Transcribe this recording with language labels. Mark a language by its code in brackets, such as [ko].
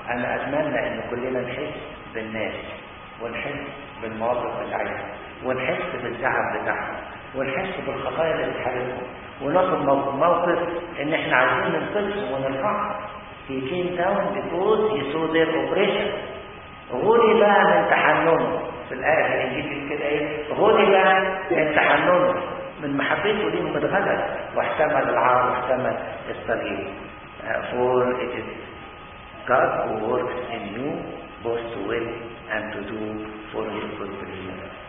[en] And I [ar] أتمنى أن كلنا نحس بالناس ونحس بالمواقف بتاعتهم ونحس بالتعب بتاعهم ونحس بالخطايا اللي بتحركهم وناخد موقف ان احنا عايزين نقدسهم ونرفعهم. [en] He came down because he saw their oppression. [ar] غلب من تحننه. في الآية في الإنجيل بيقول كده إيه؟ غلب من تحننه. من محبته ليهم اتغلب واحتمل العار واحتمل الصليب. [en] For it is God who works in you both to will and to do for his good pleasure.